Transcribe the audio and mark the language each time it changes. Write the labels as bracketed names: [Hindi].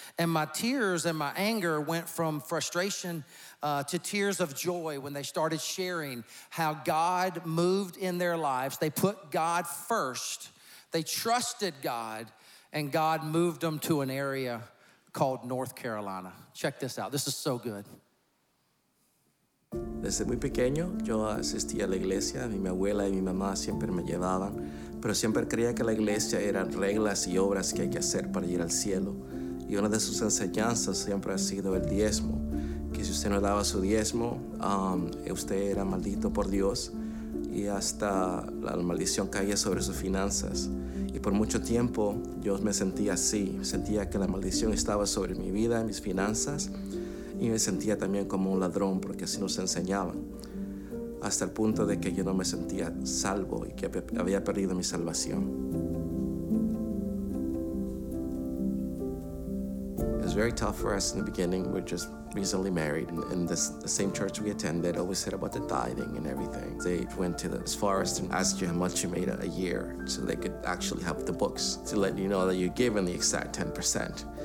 [English] And my tears and my anger went from frustration to tears of joy when they started sharing how God moved in their lives. They put God first. They trusted God, and God moved them to an area called North Carolina. Check this out. This is so good. [Spanish] Desde muy pequeño, yo asistía a la iglesia. Mi abuela y mi mamá siempre me llevaban, pero siempre creía que la iglesia eran reglas y obras que hay que hacer para ir al cielo. Y una de sus enseñanzas siempre ha sido el diezmo, que si usted no daba su diezmo, usted era maldito por Dios y hasta la maldición caía sobre sus finanzas. Y por mucho tiempo yo me sentía así, sentía que la maldición estaba sobre mi vida, mis finanzas, y me sentía también como un ladrón porque así nos enseñaban, hasta el punto de que yo no me sentía salvo y que había perdido mi salvación. [English] It was very tough for us in the beginning. We just recently married, and the same church we attended always said about the tithing and everything. They went to the forest and asked you how much you made a year so they could actually have the books to let you know that you're given the exact 10%.